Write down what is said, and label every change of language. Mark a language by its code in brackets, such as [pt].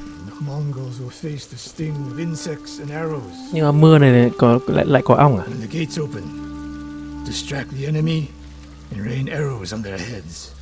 [en] The Mongols will face the sting of insects and arrows. [vi] Nhưng mà mưa này có lại có ong à? [en] When the gates open, distract the enemy and rain arrows on their heads.